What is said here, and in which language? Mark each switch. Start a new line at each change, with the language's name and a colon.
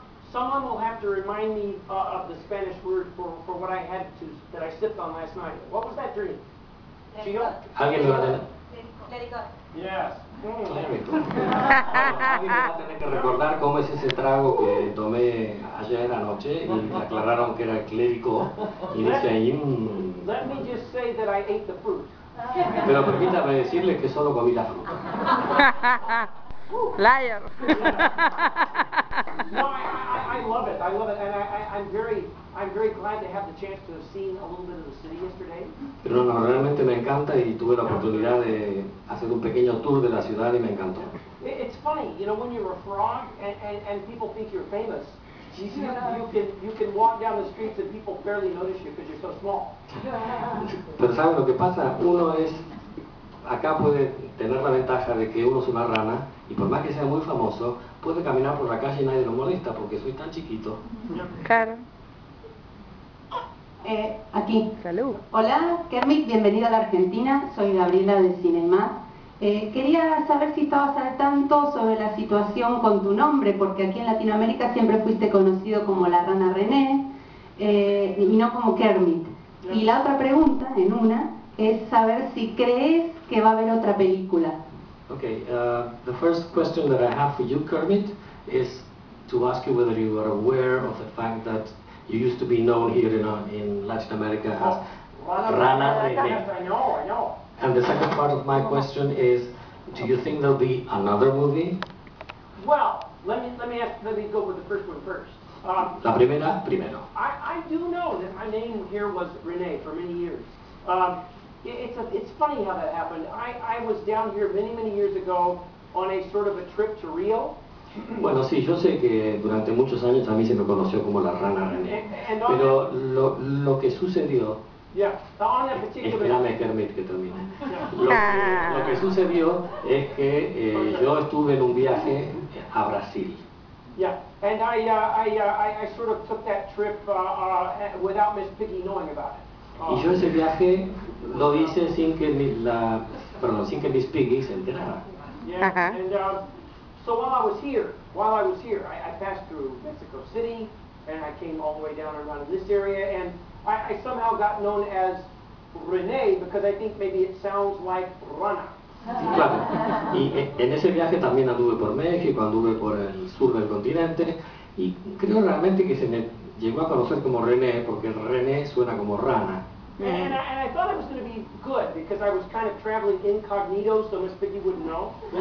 English: Someone will have to remind me of the Spanish word for what I had to that I sipped on last night. What was that drink?
Spanish: Chico.
English: How you doing? Yes.
Spanish: Alguien va a tener que recordar cómo es ese trago que tomé ayer anoche y aclararon que era clérico y dice ahí
English: Let me just say that I ate the fruit.
Spanish: Pero permítame decirle que solo comí la fruta.
English: Liar. No, I love it, and I'm very glad to have the chance to have seen a little bit of the city yesterday.
Spanish: Pero no, realmente me encanta y tuve la oportunidad de hacer un pequeño tour de la ciudad y me encantó.
English: It's funny, you know, when you're a frog and people think you're famous, you can walk down the streets and people barely notice you because you're so small.
Spanish: Pero ¿sabes lo que pasa? Uno es, acá puede tener la ventaja de que uno es una rana y por más que sea muy famoso, puede caminar por la calle y nadie lo molesta porque soy tan chiquito. Claro. Aquí. Salud. Hola, Kermit, bienvenida a la Argentina. Soy Gabriela de Cine Más. Quería saber si estabas al tanto sobre la situación con tu nombre, porque aquí en Latinoamérica siempre fuiste conocido como la rana René y no como Kermit. Y la otra pregunta, en una, es saber si crees que va a haber otra película.
English: Okay, the first question that I have for you, Kermit, is to ask you whether you are aware of the fact that you used to be known here in Latin America as Rana René. I know. And the second part of my question is, do you think there'll be another movie? Well, let me go with the first one first.
Spanish: La primera, primero.
English: I do know that my name here was René for many years. It's funny how that happened. I was down here many, many years ago on a sort of a trip to Rio.
Spanish: Bueno, sí, yo sé que durante muchos años a mí se me conoció como la rana René. Pero lo que sucedió... Espérame, Kermit, que termine. Lo que sucedió es que yo estuve en un viaje a Brasil.
English: Yeah, and I sort of took that trip without Miss Piggy knowing about it.
Spanish: Y yo ese viaje lo hice sin que Miss Piggy se enterara.
English: Yeah, and so while I was here, I passed through Mexico City, and I came all the way down around this area, and I somehow got known as René, because I think maybe it sounds like Rana.
Spanish: Sí, claro. Y en ese viaje también anduve por México, anduve por el sur del continente, y creo realmente que se me llegó a conocer como René, porque René suena como rana.
English: And I thought I was going to be good because I was kind of traveling incognito, so Miss Piggy wouldn't know.